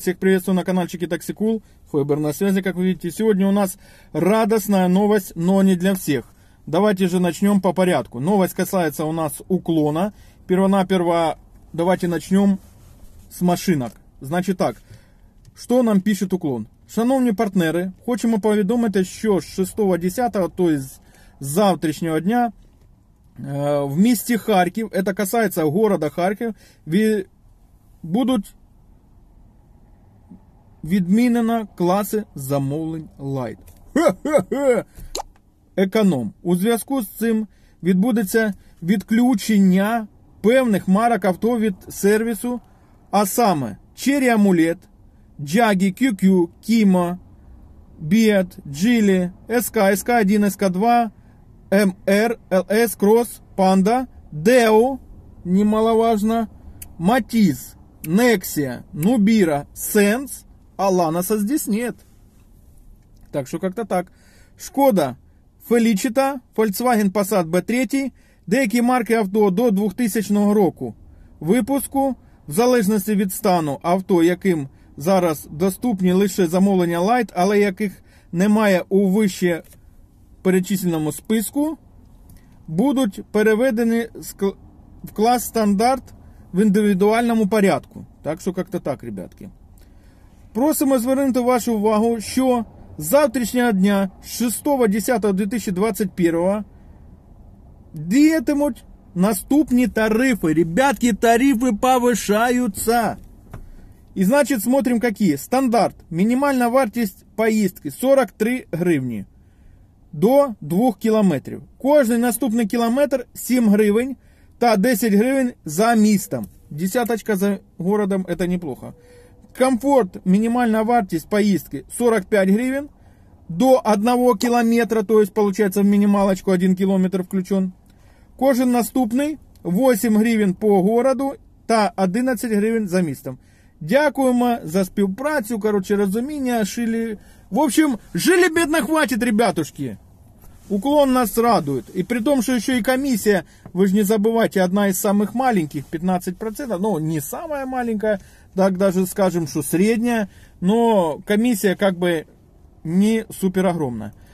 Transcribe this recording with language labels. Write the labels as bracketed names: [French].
[Russian] Всех приветствую на каналчике Toxicool. Фойбер на связи, как вы видите. Сегодня у нас радостная новость, но не для всех. Давайте же начнем по порядку. Новость касается у нас уклона. Первонаперво давайте начнем с машинок. Значит так, что нам пишет уклон? [Ukrainian] Шановні партнери, хочемо повідомити, що з 6-10, [Russian] то есть завтрашнего дня, [Ukrainian] в місті Харків, [Russian] это касается города Харків, [Ukrainian] будуть відмінено класи замовлень Light. Економ. У зв'язку з цим відбудеться відключення певних марок авто від сервісу, а саме Cherry Amulet, Jaggy, QQ, Kima, Beat, Geely, SK, SK1, SK2, MR, LS, Cross, Panda, Deo, [Russian] немаловажно, [Ukrainian] Matisse, Nexia, Nubira, Sense, [Russian] а Ланоса здесь нет. Так что как-то так. [Ukrainian] Шкода Felicita, Volkswagen Passat B3, деякі марки авто до 2000 року випуску, в залежності від стану авто, яким зараз доступні лише замовлення Light, але яких немає у вище перечисленому списку, будуть переведені в клас стандарт в індивідуальному порядку. [Russian] Так що як-то так, ребятки. [Ukrainian] Просимо звернути вашу увагу, що з завтрашнього дня, 6.10.2021, діятимуть наступні тарифи. [Russian] Ребятки, [Ukrainian] тарифи повишаються. І значить, [Russian] смотрим, [Ukrainian] які. Стандарт. Мінімальна вартість поїздки 43 гривні до 2 кілометрів. Кожний наступний кілометр 7 гривень та 10 гривень за містом. [Russian] Десяточка за городом – це неплохо. Комфорт, минимальная [Ukrainian] вартість поїздки 45 гривен до 1 кілометра, [Russian] то есть получается в минималочку 1 кілометр включен. [Ukrainian] Кожен наступний 8 гривен [Russian] по городу [Ukrainian] та 11 гривен за містом. Дякуємо за співпрацю, короче, розуміння, шили. [Russian] В общем, жили бедно хватит, ребятушки. Уклон нас радует. И при том, что еще и комиссия, вы же не забывайте, одна из самых маленьких, 15%, ну, не самая маленькая, так даже скажем, что средняя, но комиссия как бы не супер огромная.